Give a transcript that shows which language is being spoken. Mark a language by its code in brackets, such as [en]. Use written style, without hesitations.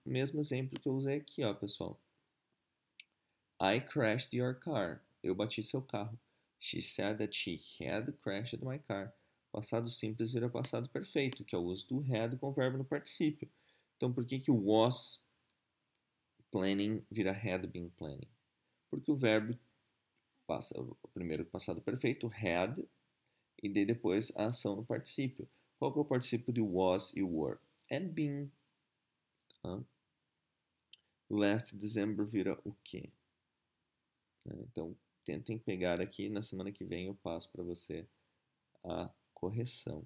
[pt] Mesmo exemplo que eu usei aqui, ó, pessoal. [en] I crashed your car. [pt] Eu bati seu carro. [en] She said that she had crashed my car. [pt] Passado simples vira passado perfeito, que é o uso do had com o verbo no particípio. Então, por que que was planning vira had been planning? Porque o verbo passa o primeiro passado perfeito, had, e daí depois a ação no particípio. Qual que é o participio de was e were? And been. Last December vira o quê? Então, tentem pegar aqui, na semana que vem eu passo para você a correção.